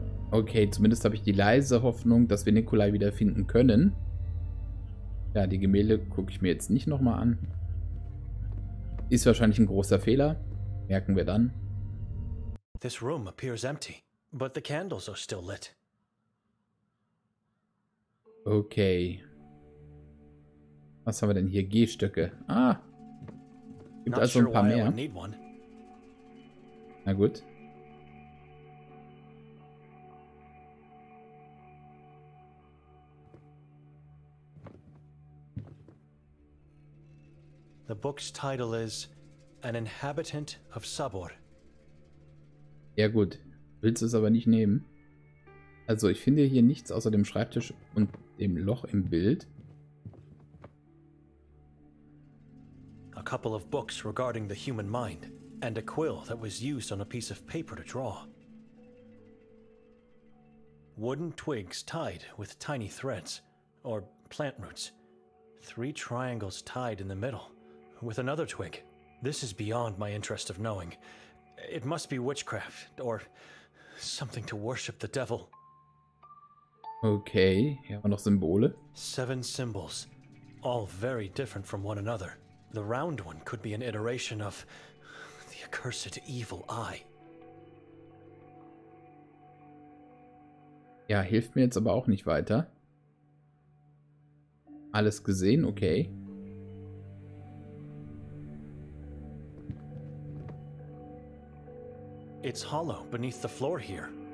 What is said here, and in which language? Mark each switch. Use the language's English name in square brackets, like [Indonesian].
[German] Okay, zumindest habe ich die leise Hoffnung, dass wir Nikolai wiederfinden können. Ja, die Gemälde gucke ich mir jetzt nicht nochmal an. Ist wahrscheinlich ein großer Fehler. Merken wir dann. [English] This room appears empty, but the candles are still lit. [German] Okay. Was haben wir denn hier? Gehstöcke. Ah! Gibt also ein paar mehr. Na gut. [English] The book's title is An Inhabitant of Sabor. [German] Ja gut, willst du es aber nicht nehmen? Also ich finde hier nichts außer dem Schreibtisch und dem Loch im Bild. [English] A couple of books regarding the human mind and a quill that was used on a piece of paper to draw. Wooden twigs tied with tiny threads, or plant roots. Three triangles tied in the middle, with another twig. This is beyond my interest of knowing. It must be witchcraft, or something to worship the devil. [German] Okay, hier haben wir noch Symbole. [English] Seven symbols, all very different from one another. The round one could be an iteration of the accursed evil eye. [German] Ja, hilft mir jetzt aber auch nicht weiter. Alles gesehen, okay. [English] It's hollow beneath the floor here.